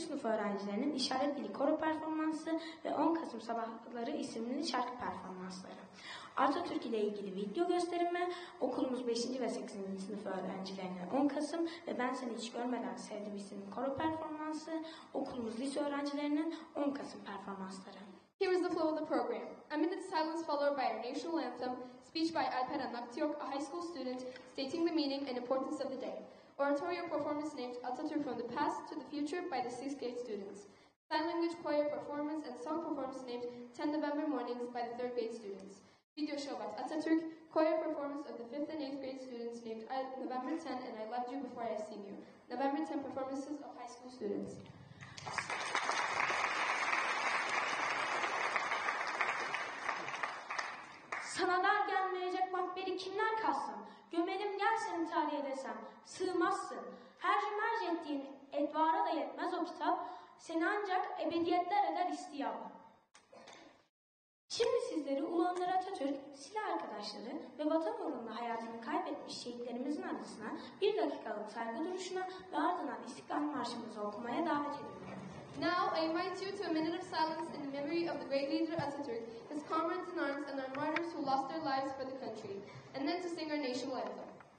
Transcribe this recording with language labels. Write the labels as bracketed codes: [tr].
[tr] sınıf öğrencilerinin işaret dili koro performansı ve 10 Kasım sabahları isimli şarkı performansları. Atatürk ile ilgili video gösterimi, okulumuz 5. ve 8. sınıf öğrencilerine 10 Kasım ve Ben Seni Hiç Görmeden Sevdim isimli koro performansı, okulumuz lise öğrencilerinin 10 Kasım performansları. [en] Here is the flow of the program. A minute silence followed by our national anthem, speech by Alperen Naktiyok, a high school student, stating the meaning and importance of the day. Oratorio performance named Atatürk from the past to the future by the 6th grade students. Sign language choir performance and song performance named 10 November mornings by the 3rd grade students. Video show about Atatürk, choir performance of the 5th and 8th grade students named November 10 and I loved you before I seen you. November 10 performances of high school students. [tr] Sana dar gelmeyecek makberi kimler kalsın? Gömelim gel seni tarihe desem, sığmazsın. Her cümer ettiğin edvara da yetmez o kitap, seni ancak ebediyetler eder istiyam. Şimdi sizleri Ulu Önder Atatürk, silah arkadaşları ve vatan uğrunda hayatını kaybetmiş şehitlerimizin arasına bir dakikalık saygı duruşuna ve ardından İstiklal Marşımızı okumaya davet ediyorum. [en] Now I invite you to a minute of silence in memory of the great leader Atatürk, his comrades in arms and our martyrs who lost their lives for the country, and then to sing our national anthem.